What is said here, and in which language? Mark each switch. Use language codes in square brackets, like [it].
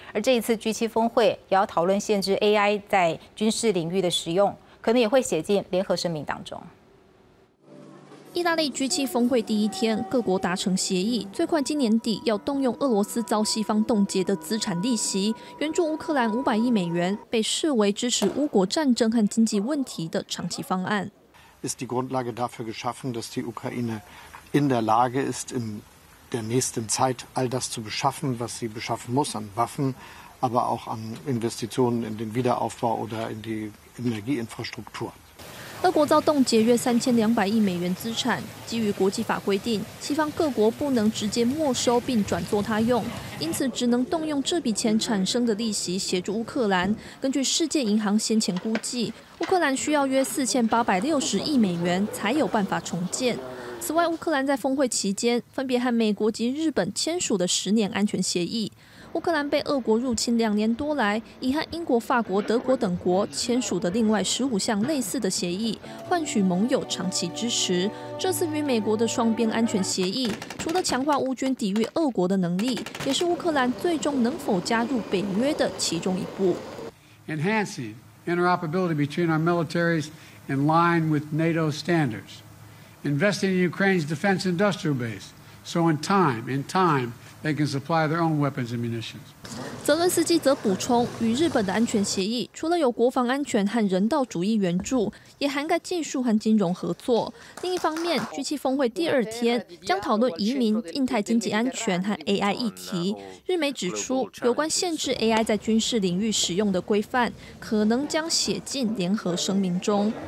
[zh] 而这一次 G7 峰会也要讨论限制 AI 在军事领域的使用，可能也会写进联合声明当中。意大利 G7 峰会第一天，各国达成协议，最快今年底要动用俄罗斯遭西方冻结的资产利息，援助乌克兰500亿美元，被视为支持乌国战争和经济问题的长期方案。 [de] Ist die Grundlage dafür geschaffen, dass die Ukraine in der Lage ist, im der nächsten Zeit all das zu beschaffen, was sie beschaffen muss an Waffen, aber auch an Investitionen in den Wiederaufbau oder in die Energieinfrastruktur. [zh] 俄国遭冻结约3200亿美元资产，基于国际法规定，西方各国不能直接没收并转作他用，因此只能动用这笔钱产生的利息协助乌克兰。根据世界银行先前估计，乌克兰需要约4860亿美元才有办法重建。此外，乌克兰在峰会期间分别和美国及日本签署的10年安全协议。乌克兰被俄国入侵2年多来，已和英国、法国、德国等国签署的另外15项类似的协议，换取盟友长期支持。这次与美国的双边安全协议，除了强化乌军抵御俄国的能力，也是乌克兰最终能否加入北约的其中一步。 [en] Enhancing interoperability between our militaries in line with NATO standards, investing in Ukraine's defense industrial base, so in time. They can supply their own weapons and munitions. [zh] 泽伦斯基则补充，与日本的安全协议除了有国防安全和人道主义援助，也涵盖技术和金融合作。另一方面，G7峰会第二天将讨论移民、印太经济安全和 AI 议题。日媒指出，有关限制 AI 在军事领域使用的规范，可能将写进联合声明中。